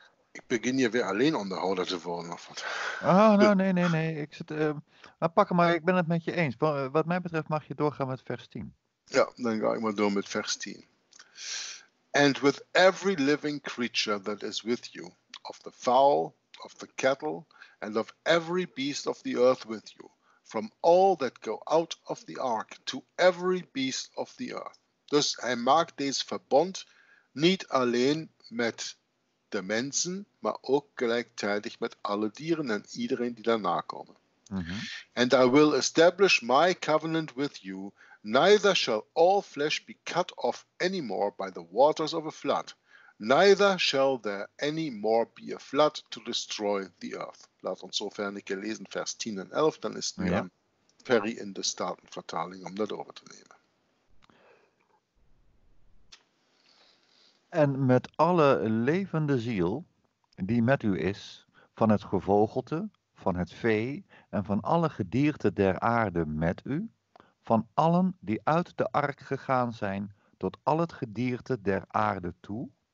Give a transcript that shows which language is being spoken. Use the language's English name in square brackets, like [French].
[Dutch] Ik begin hier weer alleen onderhouden te worden of wat. Oh, nou, nee. Ik zit, ik ben het met je eens. Wat mij betreft mag je doorgaan met vers 10. Ja, dan ga ik maar door met vers 10. [English] And with every living creature that is with you, of the fowl, of the cattle, and of every beast of the earth with you, from all that go out of the ark to every beast of the earth. [Dutch] Dus hij maakt deze verbond niet alleen met de mensen, maar ook gelijktijdig met alle dieren en iedereen die daarna komen. [English] And I will establish my covenant with you. Neither shall all flesh be cut off any more by the waters of a flood. Neither shall there any more be a flood to destroy the earth. [Dutch] Laat ons zover een keer lezen, vers 10 en 11. Dan is het nu Perry in de Statenvertaling om dat over te nemen. En met alle levende ziel die met u is, van het gevogelte, van het vee en van alle gedierte der aarde met u, van allen die uit de ark gegaan zijn tot al het gedierte der aarde toe.